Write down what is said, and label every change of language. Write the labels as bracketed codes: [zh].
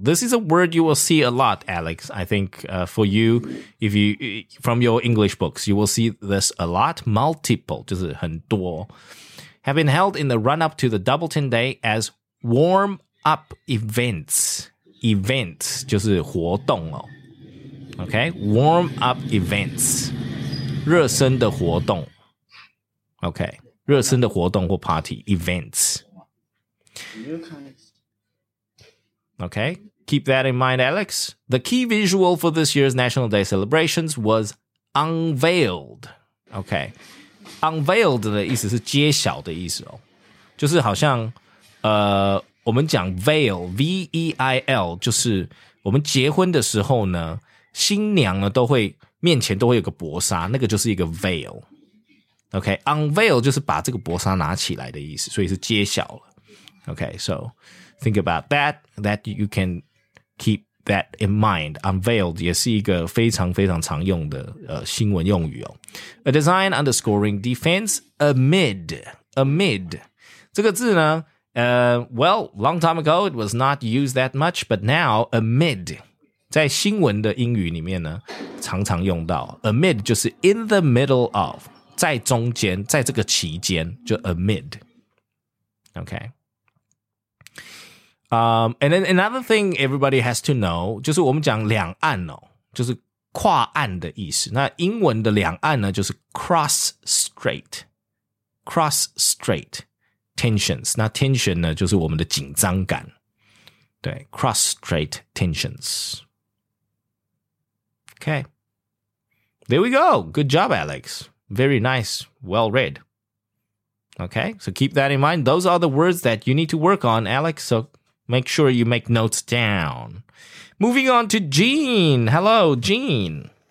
[en] This is a word you will see a lot, Alex. I think for you, if you from your English books, you will see this a lot. Multiple, [zh] 就是很多, [en] have been held in the run-up to the Double 10 Day as warm-up events. [zh] Events, 就是活动哦. [en] Okay, warm-up events. [zh] 热身的活动. [en] Okay, [zh] 热身的活动或 [en] party, events. Okay, keep that in mind, Alex. The key visual for this year's National Day celebrations was unveiled. [zh] Okay, unveiled 的意思是揭晓的意思哦, 就是好像, 我们讲 veil, V-E-I-L, 就是我们结婚的时候呢, 新娘呢, 都会, 面前都会有个薄纱, 那个就是一个 veil. Okay, unveil 就是把这个薄纱拿起来的意思, 所以是揭晓了. [en] Okay, so think about that, that you can keep that in mind. [zh] Unveiled 也是一个非常非常常用的 新闻用语哦. [en] A design underscoring defense amid. [zh] 这个字呢, [en] well, long time ago, it was not used that much, but now [zh] amid, 在新闻的英语里面呢, 常常用到, amid 就是 [en] in the middle of, [zh] 在中间, 在这个期间, 就 amid. [en] Okay. [zh] And then another thing everybody has to know, 就是我们讲两岸哦, 就是跨岸的意思, 那英文的两岸呢, 就是 cross-strait tensions, 那tension呢, 就是我们的紧张感, 对, cross-strait tensions. [en] Okay, there we go, good job, Alex, very nice, well read. Okay, so keep that in mind, those are the words that you need to work on, Alex, so make sure you make notes down. Moving on to Jean. Hello, Jean.